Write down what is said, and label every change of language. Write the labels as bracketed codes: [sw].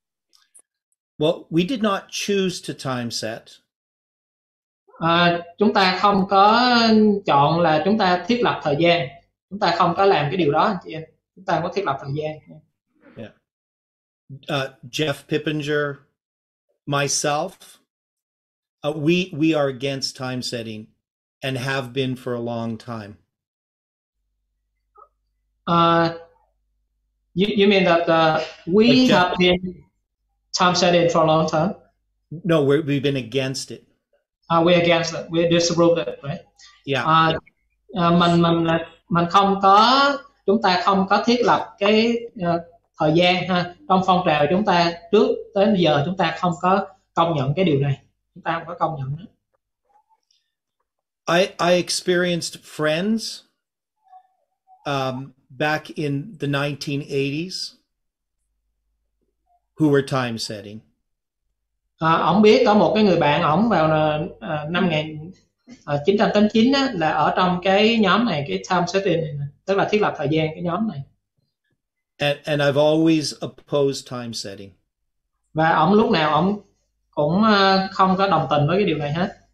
[en] Yeah. Well, we did not choose to time set. [vi] Chúng ta không có chọn là chúng ta thiết lập thời gian. Chúng ta không có làm cái điều đó, anh chị em. Chúng ta không có thiết lập thời gian. Yeah. [en] Jeff Pippinger, myself, we are against time setting and have been for a long time. You mean that we like Jeff, have been time setting for a long time? No, we've been against it. We're against it. We disapprove it, right? Yeah. [vi] mình không có chúng ta không có thiết lập cái thời gian ha, trong phong trào chúng ta trước tới giờ chúng ta không có công nhận cái điều này, chúng ta không có công nhận nữa. [en] I experienced friends back in the 1980s who were time setting. [vi] Ông biết có một cái người bạn ông vào năm 1989 á, là ở trong cái nhóm này, cái time setting này, tức là thiết lập thời gian cái nhóm này. [en] And I've always opposed time setting. [vi] Và ông lúc nào ông cũng không có đồng tình với cái điều này hết.